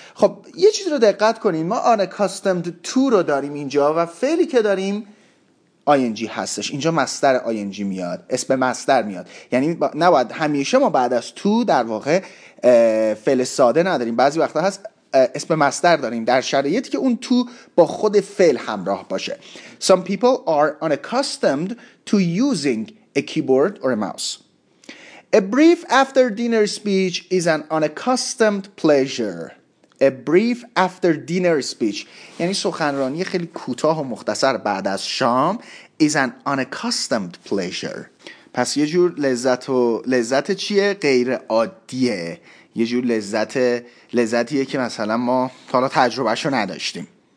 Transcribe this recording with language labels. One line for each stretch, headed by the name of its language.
Persian: خب یه چیز رو دقت کنین، ما unaccustomed to رو داریم اینجا و فعلی که داریم ing هستش، اینجا مصدر ing میاد، اسم مصدر میاد، یعنی نباید همیشه ما بعد از to در واقع فعل ساده نداریم، بعضی وقتا هست اسم مصدر داریم در شرایطی که اون تو با خود فعل همراه باشه.
English: Some people are unaccustomed to using a keyboard or a mouse. A brief after dinner speech is an unaccustomed pleasure. A brief after dinner speech.
Persian: یعنی سخنرانی خیلی کوتاه و مختصر بعد از شام
English: is an unaccustomed pleasure.
Persian: پس یه جور لذت و لذت چیه؟ غیر عادیه. یه جور لذت، لذتیه که مثلا ما تا حالا تجربهشو نداشتیم.